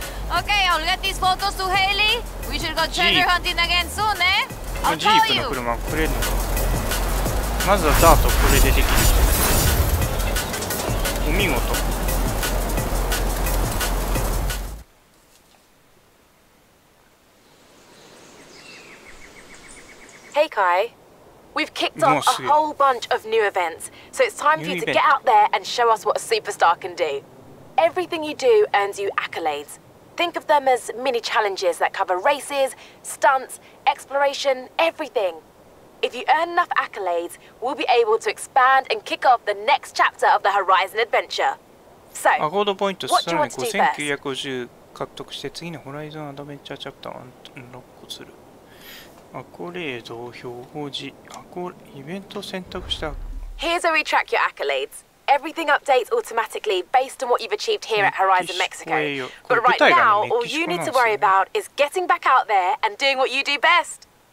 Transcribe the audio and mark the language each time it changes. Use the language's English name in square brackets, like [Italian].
[English] Okay, I'll get these photos to Haley. We should go treasure hunting again soon, eh? I'll call you! [Japanese] ジープの車くれんのか。まずはダートこれでできる。お見事。 [English] Hey Kai, we've kicked off a whole bunch of new events, so it's time for you to get out there and show us what a superstar can do. Everything you do earns you accolades. Think of them as mini challenges that cover races, stunts, exploration, everything. If you earn enough accolades, we'll be able to expand and kick off the next chapter of the Horizon Adventure. So, what do you want to do first? [Japanese] 5950獲得して次の Horizon Adventure Chapter を録音する。アコレード表示、イベント選択した。 [English] Here's where we track your accolades. Everything updates automatically based on what you've achieved here at Horizon Mexico. But right now, all you need to worry about is getting back out there and doing what you do best.